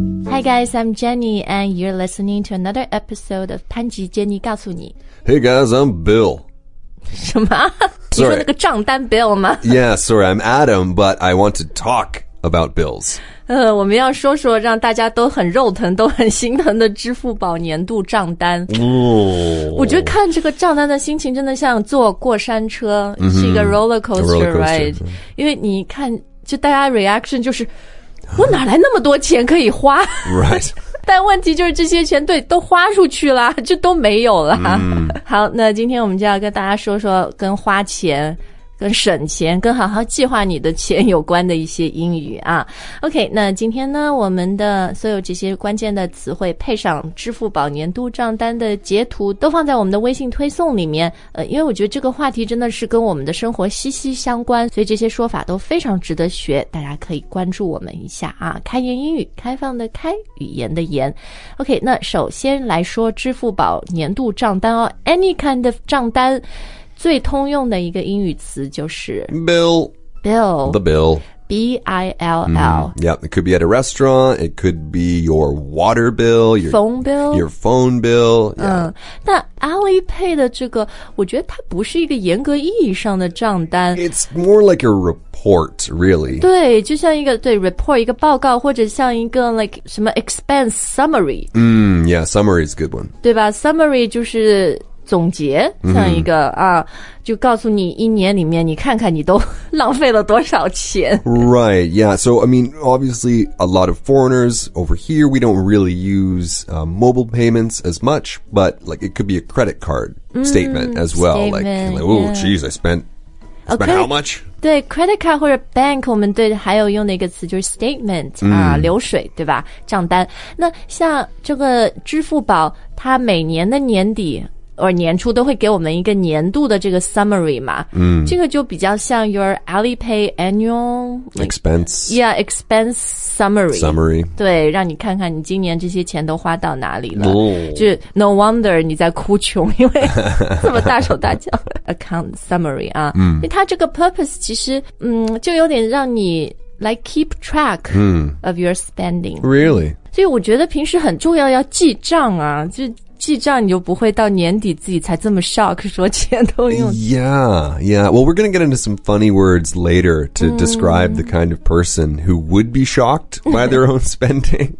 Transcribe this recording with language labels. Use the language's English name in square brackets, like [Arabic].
[English] Hey guys, I'm Jenny, and you're listening to another episode of 潘吉 Jenny 告诉你 Hey guys, I'm Bill. [Chinese] 什么？ [English] Sorry. [Chinese] 你说那个账单 Bill 吗？ [English] Yeah, sorry, I'm Adam, but I want to talk about bills. [Chinese] 我们要说说让大家都很肉疼、都很心疼的支付宝年度账单。 Ooh. 我觉得看这个账单的心情真的像坐过山车、 mm-hmm. 是一个 [English] roller coaster, right?、 [Chinese] Mm-hmm. 因为你看，就大家 reaction 就是我哪来那么多钱可以花 [English] ？Right， [Chinese] 但问题就是这些钱对都花出去了，就都没有了。 Mm. 好，那今天我们就要跟大家说说跟花钱、跟省钱、跟好好计划你的钱有关的一些英语啊。 OK， 那今天呢，我们的所有这些关键的词汇配上支付宝年度账单的截图，都放在我们的微信推送里面。因为我觉得这个话题真的是跟我们的生活息息相关，所以这些说法都非常值得学，大家可以关注我们一下啊。开言英语，开放的开，语言的言。OK， 那首先来说支付宝年度账单哦 ， [English] any kind of [Chinese] 账单。最通用的一个英语词就是 [English] bill, bill, the bill, B-I-L-L.、 Mm, yeah, it could be at a restaurant, it could be your water bill, your phone bill, your phone bill.、 [Chinese] Yeah. 嗯，那 Alipay 的这个，我觉得它不是一个严格意义上的账单。 [English] It's more like a report, really. [Chinese] 对，就像一个对 report 一个报告，或者像一个 like 什么 expense summary. [English] Hmm, yeah, summary is a good one. [Chinese] 对吧 ？Summary 就是。总结像一个、mm-hmm. 啊，就告诉你一年里面你看看你都浪费了多少钱 [English] Right, yeah. So, I mean, obviously, a lot of foreigners over here, we don't really use、mobile payments as much, but like it could be a credit card statement、mm-hmm. as well. Statement, like, oh,、 yeah. geez, I spent、okay. how much? [Chinese] 对 credit card 或者 bank 我们对还有用的一个词就是 statement、 mm. 啊、流水对吧账单那像这个支付宝它每年的年底or 年初都会给我们一个年度的这个 summary 嘛、嗯、这个就比较像 your Alipay annual [English] expense like, yeah expense summary [Chinese] 对让你看看你今年这些钱都花到哪里了、哦、就 [English] no wonder [Chinese] 你在哭穷因为这么大手大脚account summary 啊、嗯、因为它这个 purpose 其实就有点让你来 [English] keep track、嗯、 of your spending really [Chinese] 所以我觉得平时很重要要记账啊就记账你就不会到年底自己才这么 shock 说钱都用 [English] Yeah, yeah. Well, we're going to get into some funny words later to、mm. describe the kind of person who would be shocked by their own spending.